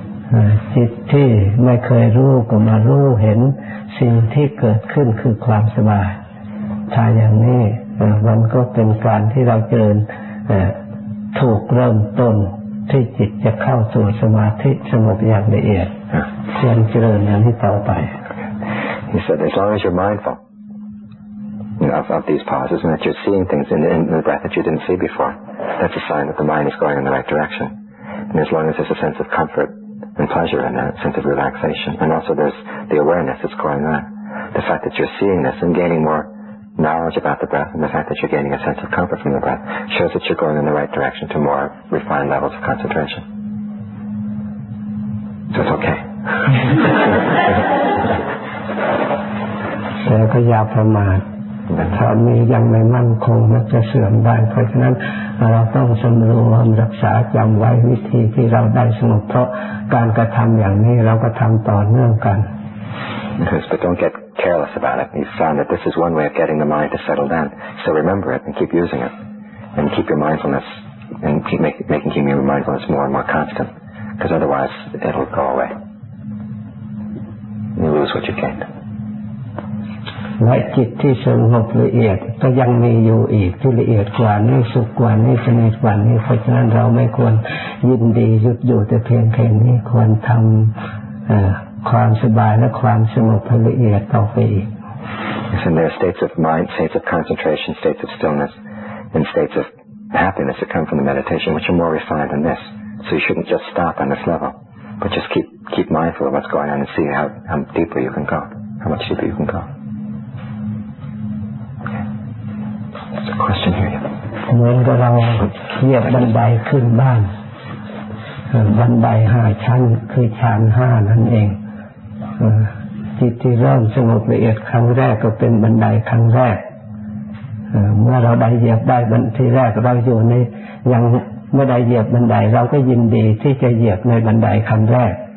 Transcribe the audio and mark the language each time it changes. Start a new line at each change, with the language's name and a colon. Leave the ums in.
Thai: เอ่อจิตที่ไม่เคยรู้ก็มารู้เห็นสิ่งที่เกิดขึ้นคือความสบาย ถ้าอย่างนี้เอ่อมันก็เป็นการที่เราเจริญเอ่อถูกเริ่มต้นที่จิตจะเข้าสู่สมาธิสงบอย่างละเอียดควรเจริญอย่างนี้ต่อไป
English: He said, as long as you're mindful you know, of, of these pauses and that you're seeing things in, in the breath that you didn't see before, that's a sign that the mind is going in the right direction. And as long as there's a sense of comfort and pleasure and a sense of relaxation, and also there's the awareness that's going on, the fact that you're seeing this and gaining more knowledge about the breath and the fact that you're gaining a sense of comfort from the breath shows that you're going in the right direction to more refined levels of concentration. So it's okay.
Thai: แต่ก็อย่าประมาทถ้ามียังไม่มั่นคงมันจะเสื่อมได้ เพราะฉะนั้นเราต้องสำรวมรักษาจำไว้วิธีที่เราได้สงบเพราะการกระทำอย่างนี้เราก็ทำต่อเนื่องกัน
English: but don't get careless about it. You've found that this is one way of getting the mind to settle down. So remember it and keep using it. And keep your mindfulness, and keep make, making keeping your mindfulness more and more constant. Because otherwise, it'll go away. You lose what you gained.
Thai: และจิตที่สงบละเอียดก็ยังมีอยู่อีกที่ละเอียดกว่านี้สุขกว่านี้สนิทกว่านี้เพราะฉะนั้นเราไม่ควรยินดีหยุดอยู่แต่เพียงแค่นี้ควรทำเอ่อความสบายและความสงบให้ละเอียดต่อไปอีก
English: And there are states of mind, states of concentration, states of stillness, and states of happiness that come from the meditation, which are more refined than this. So you shouldn't just stop on this level, but just keep keep mindful of what's going on and see how, how deeply you can go, how much deeper you can go. Okay. There's a question here. yeah.
Thai: เหมือนกับเราเหยียบบันไดขึ้นบ้านเอ่อบันไดห้าชั้นคือชานห้านั่นเองเอ่อจิตที่เริ่มสงบละเอียดครั้งแรกก็เป็นบันไดครั้งแรกเอ่อเมื่อเราได้เหยียบได้บันทีแรกเราอยู่ในยังไม่ได้เหยียบบันไดเราก็ยินดีที่จะเหยียบในบันไดขั้นแรก